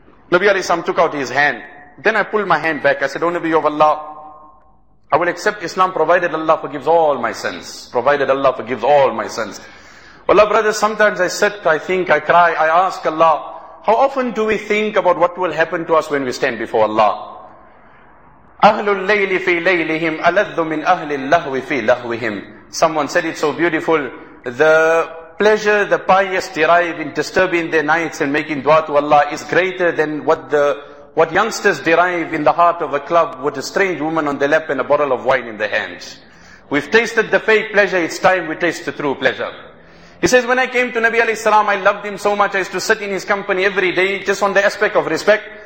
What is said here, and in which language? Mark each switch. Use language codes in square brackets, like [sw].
[en] Nabi alayhi salam took out his hand. Then I pulled my hand back. I said, O Nabi of Allah, I will accept Islam provided Allah forgives all my sins. Provided Allah forgives all my sins. Allah, brothers, sometimes I sit, I think, I cry, I ask Allah, how often do we think about what will happen to us when we stand before Allah? [ar] أهل الليل في ليلهم ألذ من أهل اللهو في لهوهم. [en] Someone said it so beautiful. The pleasure the pious derive in disturbing their nights and making dua to Allah is greater than what youngsters derive in the heart of a club with a strange woman on the lap and a bottle of wine in the hand. We've tasted the fake pleasure, it's time we taste the true pleasure. He says, when I came to Nabi alayhi salam, I loved him so much, I used to sit in his company every day just on the aspect of respect.